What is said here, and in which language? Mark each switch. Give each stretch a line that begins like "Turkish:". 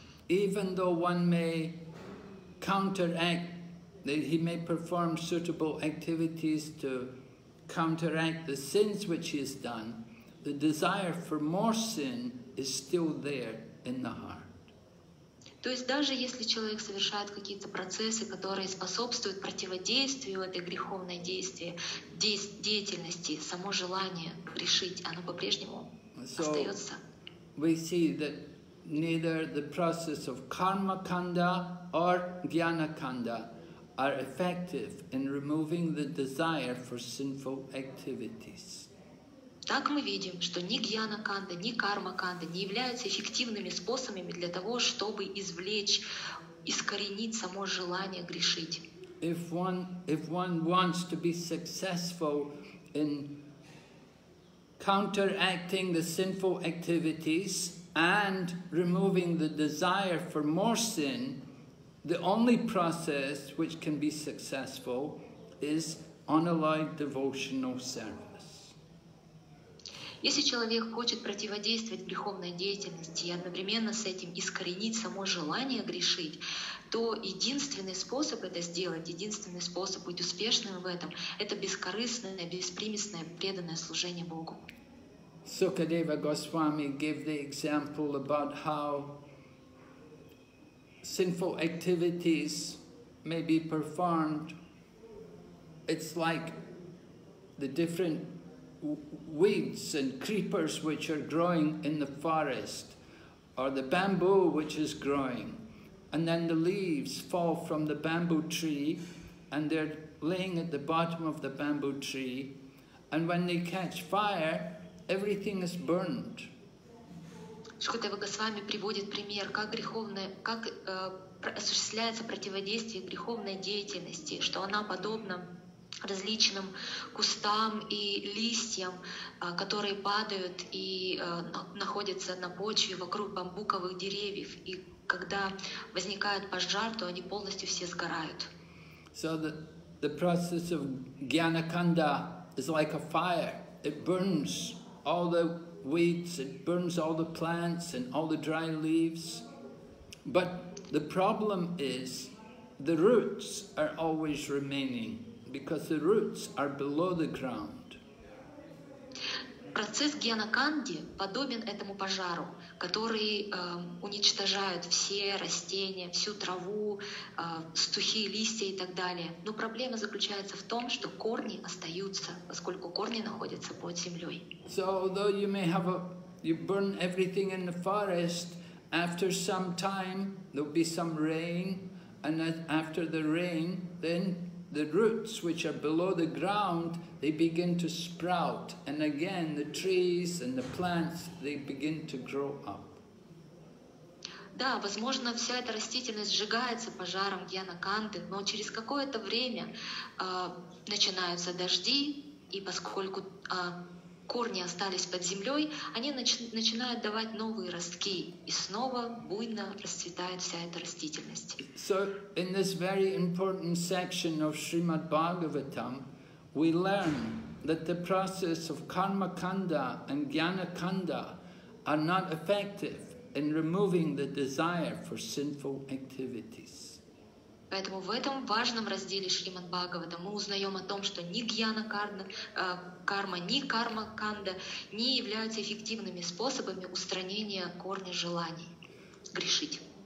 English: Even though one may counteract, that he may perform suitable activities to counteract the sins which he has done, the desire for more sin is still there in the heart.
Russian: То есть даже если человек совершает какие-то процессы, которые способствуют противодействию этой греховной деятельности, само желание грешить, оно по-прежнему остается.
English: We see that neither the process of karma kanda or jnana kanda are effective in removing the desire for sinful activities.
Russian: Так мы видим, что ни Гьяна-канда, ни Карма-канда не являются эффективными способами для того, чтобы извлечь, искоренить само желание грешить.
English: If one wants to be successful in counteracting the sinful activities and removing the desire for more sin, the only process which can be successful is unalloyed devotional service.
Russian: Если человек хочет противодействовать греховной деятельности и одновременно с этим искоренить само желание грешить, то единственный способ это сделать, единственный способ быть успешным в этом — это бескорыстное, беспримесное, преданное служение Богу.
English: Sukadeva Goswami gave the example about how sinful activities may be performed. It's like the different weeds and creepers which are growing in the forest, or the bamboo which is growing, and then the leaves fall from the bamboo tree and they're laying at the bottom of the bamboo tree, and when they catch fire, everything is burned.
Russian: Шукадева Госвами приводит пример, как греховная, как осуществляется противодействие греховной деятельности, что она подобна различным кустам и листьям, которые падают и находятся на почве вокруг бамбуковых деревьев, и когда возникает пожар, то они полностью все сгорают.
English: So the process of Gyanakanda is like a fire. It burns all the weeds, it burns all the plants and all the dry leaves. But the problem is the roots are always remaining because the roots are below the ground.
Russian: Процесс Гьянаканды подобен этому пожару, который уничтожает все растения, всю траву, сухие листья и так далее. Но проблема заключается в том, что корни остаются, поскольку корни находятся под землей.
English: So although you may have you burn everything in the forest, after some time there'll be some rain, and after the rain, then the roots which are below the ground, they begin to sprout, and again the trees and the plants, they begin to grow up.
Russian: Да, возможно, вся эта растительность сжигается пожаром Гьянаканды, но через какое-то время начинаются дожди, и поскольку корни остались под землей, они начинают давать новые ростки, и снова буйно расцветает вся эта растительность.
English: So, in this very important section of Srimad Bhagavatam, we learn that the process of Karma Kanda and Jnana Kanda are not effective in removing the desire for sinful activities.
Russian: Поэтому в этом важном разделе Шримад Бхагавата мы узнаем о том, что ни гьяна-карма, ни карма-канда не являются эффективными способами устранения корня желаний грешить.